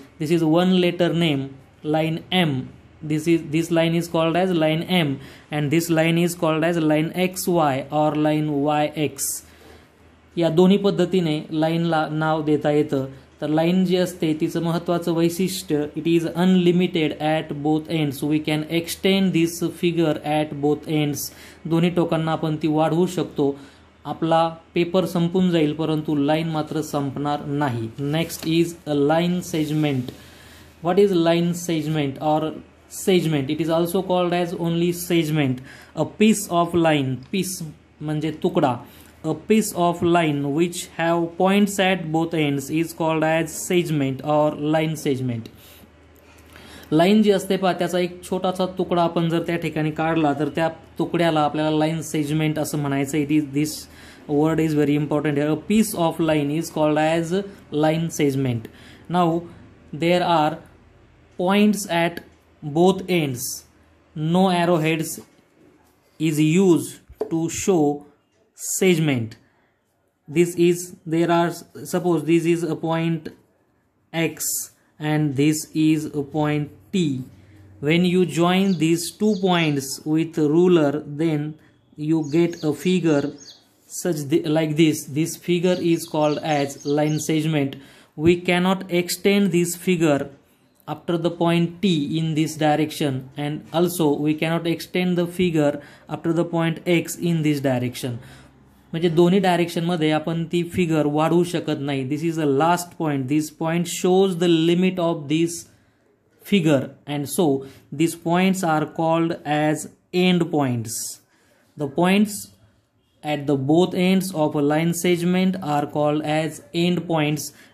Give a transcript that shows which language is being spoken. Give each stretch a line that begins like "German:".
English: This is one letter name line M. This line is called as line M. And this line is called as line X Y or line Y X.
Marathi: या दोन्ही पद्धतीने लाईनला नाव देता येतं. तर line जी असते तिचं महत्त्वाचं वैशिष्ट्य,
English: It is unlimited at both ends. We can extend this figure at both ends.
Marathi: दोन्ही टोकांना आपण ती वाढवू शकतो. आपला पेपर संपून जाईल परंतु लाईन मात्र संपणार नाही.
English: Next is a line segment. What is line segment or segment? It is also called as only segment. A piece of line,
Marathi: piece म्हणजे तुकडा.
English: A piece of line which have points at both ends is called as segment or line segment.
Marathi: Line जी असते पा त्याचा एक छोटासा तुकडा आपण जर त्या ठिकाणी काढला तर त्या तुकड्याला आपल्याला लाईन सेजमेंट असं म्हणायचं.
English: It is, this word is very important. A piece of line is called as line segment. Now there are points at both ends. No arrow heads is use to show segment. This is, there are, suppose this is a point X and this is a point T. When you join this two points with ruler then you get a figure such like this. This figure is called as line segment. We cannot extend this figure after the point T in this direction, and also we cannot extend the figure after the point X in this direction.
Marathi: म्हणजे दोन्ही डायरेक्शनमध्ये आपण ती figure वाढवू शकत नाही.
English: This is the last point. This point shows the limit of this figure and so this points are called as end points. The points at the both ends of a line segment are called as end points.